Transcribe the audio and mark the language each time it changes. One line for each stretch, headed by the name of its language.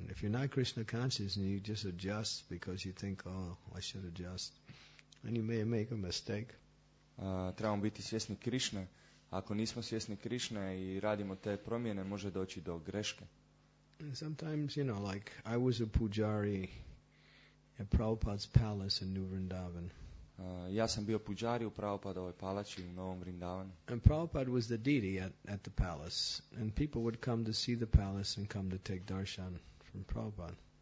English: If you're not Krishna conscious and you just adjust because you think, oh, I should adjust, and you may make a mistake.
Croatian: Trebamo biti svjesni Krishna. Ako nismo svjesni Krishna i radimo te promjene, može doći do greške.
English: And sometimes, you know, like I was a pujari at Prabhupada's palace in New Vrindavan.
Croatian: Ja sam bio puđari u Prabhupadovoj palači u Novom Vrindavanu.
English: And Prabhupada was the deity at the palace, and people would come to see the palace and come to take darshan from Prabhupada.